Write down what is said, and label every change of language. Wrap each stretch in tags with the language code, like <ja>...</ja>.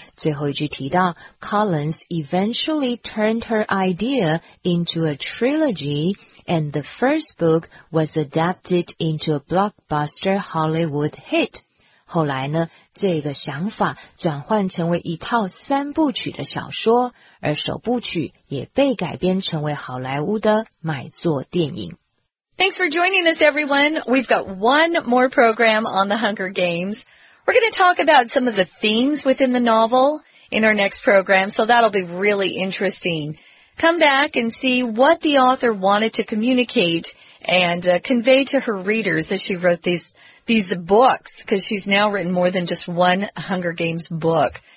<zh>最后一句提到</zh> <en>Collins eventually turned her idea into a trilogy and the first book was adapted into a blockbuster Hollywood hit。</en> <zh>后来呢，这个想法转换成为一套三部曲的小说，而首部曲也被改编成为好莱坞的买座电影。</zh> <en>Thanks for joining us, everyone. We've got one more program on the Hunger Games. We're going to talk about some of the themes within the novel in our next program, so that'll be really interesting. Come back and see what the author wanted to communicate and convey to her readers as she wrote these books, because she's now written more than just one Hunger Games book.</en>